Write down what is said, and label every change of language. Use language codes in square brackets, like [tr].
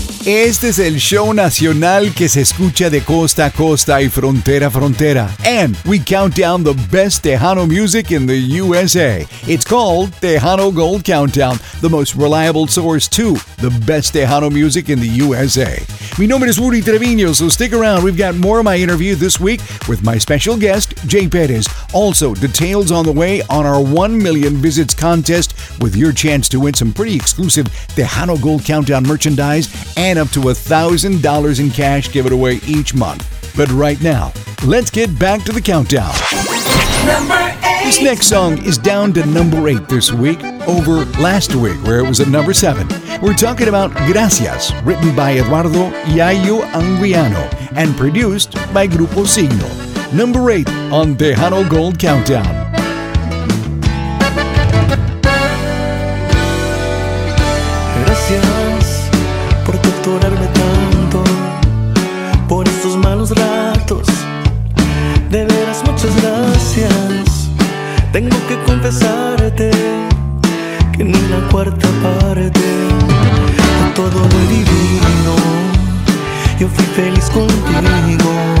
[es] Este es el show nacional que se escucha de costa a costa y frontera a frontera. [en] And we count down the best Tejano music in the USA. It's called Tejano Gold Countdown, the most reliable source to the best Tejano music in the USA. [es] Mi nombre es [en] Rudy Treviño, so stick around. We've got more of my interview this week with my special guest, Jay Perez. Also, details on the way on our 1 million visits contest with your chance to win some pretty exclusive Tejano Gold Countdown merchandise and up to $1,000 in cash given away each month. But right now, let's get back to the countdown. Number 8. This next song is down to number 8 this week over last week where it was at number 7. We're talking about Gracias, written by Eduardo Yayo Anguiano and produced by Grupo Signo. Number 8 on Tejano Gold Countdown. [es] Gracias por torturarme tanto, por estos malos ratos. De veras, muchas gracias. Tengo que confesarte que ni la cuarta parte de todo lo divino, yo fui feliz contigo.